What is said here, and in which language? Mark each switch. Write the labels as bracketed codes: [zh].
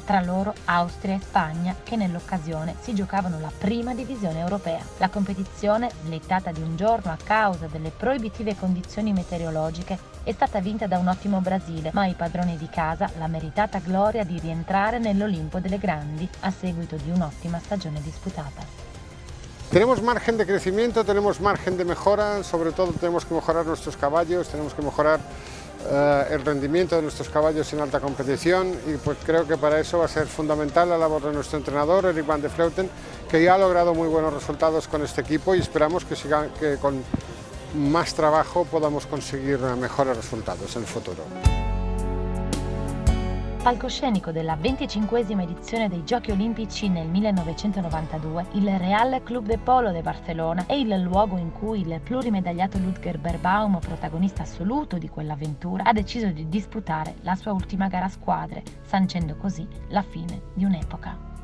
[it] Tra loro Austria e Spagna, che nell'occasione si giocavano la prima divisione europea. La competizione, slittata di un giorno a causa delle proibitive condizioni meteorologiche, è stata vinta da un ottimo Brasile, ma i padroni di casa la meritata gloria di rientrare nell'Olimpo delle Grandi a seguito di un'ottima stagione disputata. [es] Tenemos margen de crecimiento, tenemos margen de mejora, sobre todo tenemos que mejorar nuestros caballos, tenemos que mejorar el rendimiento de nuestros caballos en alta competición y pues creo que para eso va a ser fundamental la labor de nuestro entrenador, Eric Van de Vleuten, que ya ha logrado muy buenos resultados con este equipo y esperamos que con más trabajo podamos conseguir mejores resultados en el futuro. [it] Palcoscenico della 25esima edizione dei Giochi Olimpici nel 1992, il Real Club de Polo de Barcelona è il luogo in cui il plurimedagliato Ludger Berbaum, protagonista assoluto di quell'avventura, ha deciso di disputare la sua ultima gara a squadre, sancendo così la fine di un'epoca.